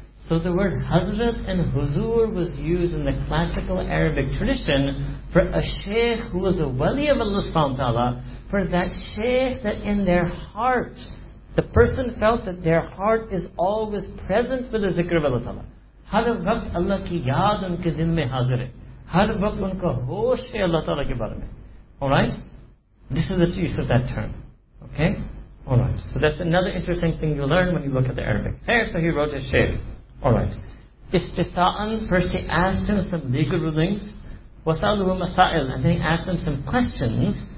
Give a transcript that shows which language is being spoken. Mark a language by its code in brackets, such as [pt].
[en] So the word Hazrat and Huzur was used in the classical Arabic tradition for a Shaykh who was a Wali of Allah subhanahu wa ta'ala, for that Shaykh that in their heart, the person felt that their heart is always present with the zikr of Allah ta'ala. [ur] ہر وقت اللہ کی یاد ان کے ذمے حاضر ہے۔ ہر وقت ان کا ہوش ہے اللہ تعالیٰ کے بارے میں۔ [en] Alright? This is the use of that term. Okay? Alright, so that's another interesting thing you learn when you look at the Arabic. Okay, so he wrote his shaykh. Alright. Istita'an, first he asked him some legal rulings. [ar] Wasa'aluhu masail, [en] and then he asked him some questions.